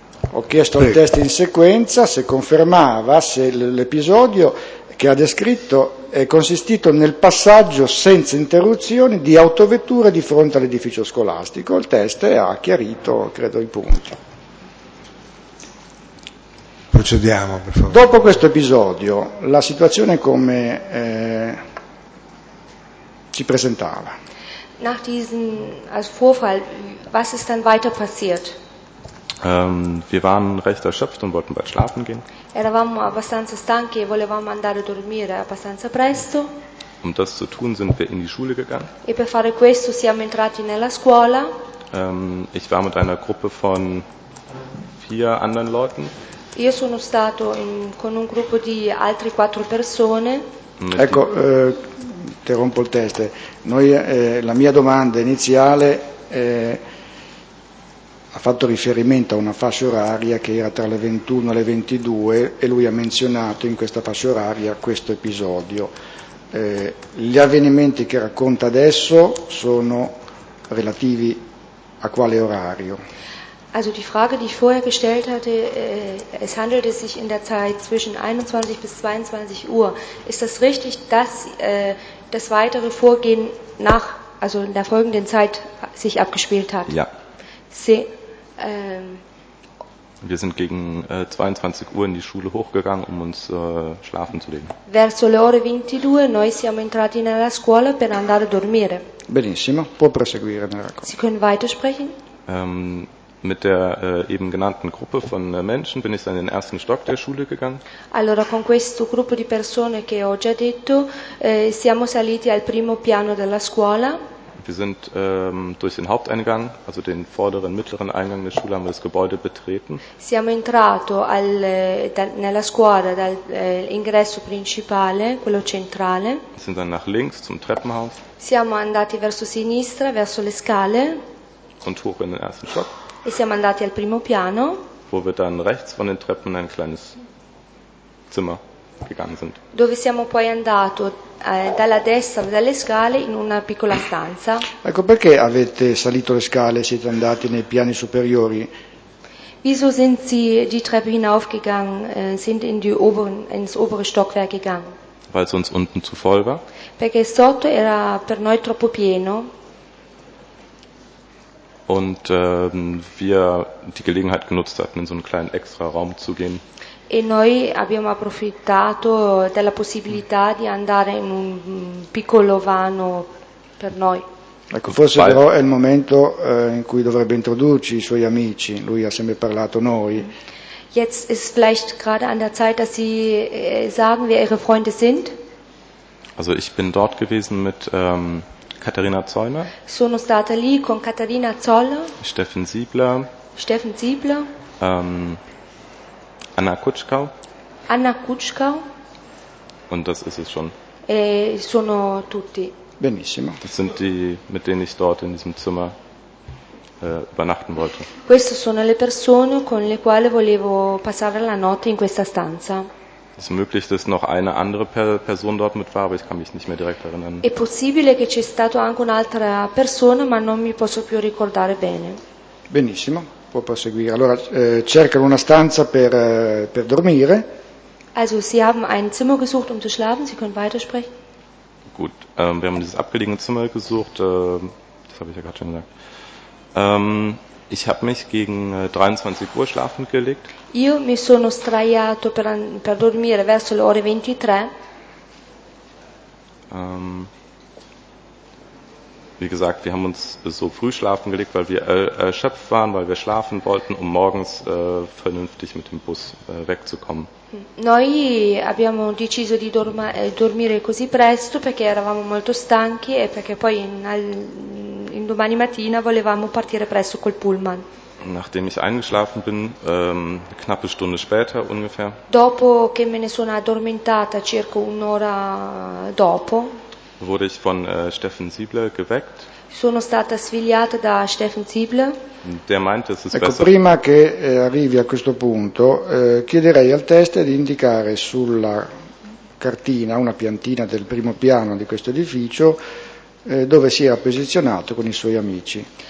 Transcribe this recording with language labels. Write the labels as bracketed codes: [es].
[it] Ho chiesto il test in sequenza se confermava se l'episodio che ha descritto è consistito nel passaggio senza interruzioni di autovetture di fronte all'edificio scolastico. Il test ha chiarito, credo, il punto. Procediamo, per favore. Dopo questo episodio, la situazione come si presentava? [de] Nach diesem Vorfall, was ist dann weiter passiert? Wir waren recht erschöpft und wollten bald schlafen gehen. [it] Eravamo abbastanza stanchi e volevamo andare a dormire abbastanza presto. [de] Um das zu tun, sind wir in die Schule gegangen. [it] E per fare questo siamo entrati nella scuola. [de] Ich war mit einer Gruppe von 4 anderen Leuten. [it] Io sono stato con un gruppo di altri 4 persone. Ecco, interrompo il test. La mia domanda iniziale è... ha fatto riferimento a una fascia oraria che era tra le 21 e le 22 e lui ha menzionato in questa fascia oraria questo episodio. Gli avvenimenti che racconta adesso sono relativi a quale orario? [de] Also die Frage, die ich vorher gestellt hatte, es handelte sich in der Zeit zwischen 21 bis 22 Uhr. Ist das richtig, dass das weitere Vorgehen nach, also in der folgenden Zeit sich abgespielt hat? Ja. Sie, wir sind gegen 22 Uhr in die Schule hochgegangen, um uns schlafen zu legen. [it] Verso le ore 22 noi siamo entrati nella scuola per andare a dormire. Benissimo, può proseguire nel racconto. [de] Sie können weitersprechen? Mit der eben genannten Gruppe von Menschen bin ich dann in den ersten Stock der Schule gegangen. [it] Allora con questo gruppo di persone che ho già detto, siamo saliti al primo piano della scuola. [de] Wir sind durch den Haupteingang, also den vorderen, mittleren Eingang der Schule, haben wir das Gebäude betreten. [it] Siamo entrato nella scuola dal ingresso principale, quello centrale. [de] Wir sind dann nach links zum Treppenhaus. [it] Siamo andati verso sinistra, verso le scale. [de] Und hoch in den ersten Stock. [it] E siamo andati al primo piano. [de] Wo wir dann rechts von den Treppen in ein kleines Zimmer gegangen sind. [it] Dove siamo poi andato dalla destra delle scale in una piccola stanza. Ecco, perché avete salito le scale e siete andati nei piani superiori? [de] Wieso sind Sie die Treppe hinaufgegangen, sind in die oberen, ins obere Stockwerk gegangen? Weil es uns unten zu voll war. [it] Perché sotto era per noi troppo pieno. [de] Und wir die Gelegenheit genutzt hatten, in so einen kleinen extra Raum zu gehen. [it] E noi abbiamo approfittato della possibilità di andare in un piccolo vano per noi. Ecco, forse però è il momento in cui dovrebbe introdurci i suoi amici, lui ha sempre parlato noi. [de] Jetzt ist vielleicht gerade an der Zeit, dass Sie sagen, wer Ihre Freunde sind. Also ich bin dort gewesen mit Katharina Zollner. [it] Sono stata lì con Katharina Zollner. [de] Steffen Siebler. [it] Steffen Siebler. [de] Anna Kutschkau. [it] Anna Kutschkau. [de] Und das ist es schon. [it] E sono tutti. Benissimo. [de] Das sind die, mit denen ich dort in diesem Zimmer übernachten wollte. [it] Queste sono le persone con le quali volevo passare la notte in questa stanza. [de] Es ist möglich, dass noch eine andere Person dort mit war, aber ich kann mich nicht mehr direkt erinnern. [it] È possibile che c'è stato anche un'altra persona, ma non mi posso più ricordare bene. Benissimo, può proseguire. Allora cercano una stanza per dormire. [de] Also Sie haben ein Zimmer gesucht, um zu schlafen. Sie können weitersprechen. Gut, wir haben dieses abgelegene Zimmer gesucht. Das habe ich ja gerade schon gesagt. Ich habe mich gegen 23 Uhr schlafend gelegt. [it] Io mi sono sdraiato per dormire verso le ore 23. [de] Wie gesagt, wir haben uns so früh schlafen gelegt, weil wir erschöpft waren, weil wir schlafen wollten, um morgens vernünftig mit dem Bus wegzukommen. [it] Noi abbiamo deciso di dormire così presto perché eravamo molto stanchi e perché poi in domani mattina volevamo partire presto col pullman. [de] Nachdem ich eingeschlafen bin, eine knappe Stunde später ungefähr. [it] Dopo che me ne sono addormentata circa un'ora dopo. [de] Wurde ich von Steffen Siebler geweckt. [it] Sono stata svegliata da Steffen Siebler. [de] Der meinte, es ist [it] ecco, [de] besser. [it] Prima che arrivi a questo punto, chiederei al teste di indicare sulla cartina, una piantina del primo piano di questo edificio, dove si era posizionato con i suoi amici.